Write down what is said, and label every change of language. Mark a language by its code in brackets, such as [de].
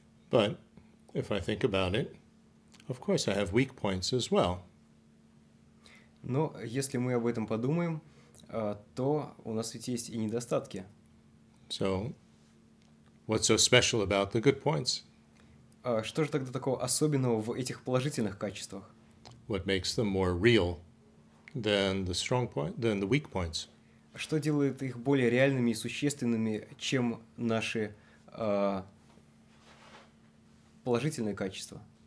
[en] But if I think about it, of course I have weak points as well. [ru] Но если мы об этом подумаем, то у нас ведь есть и недостатки. [en] So, what's so special about the good points? [ru] Что же тогда такого особенного в этих положительных качествах? [en] What makes them more real than the strong point, than the weak points? [ru] Что делает их более реальными и существенными, чем наши положительные качества?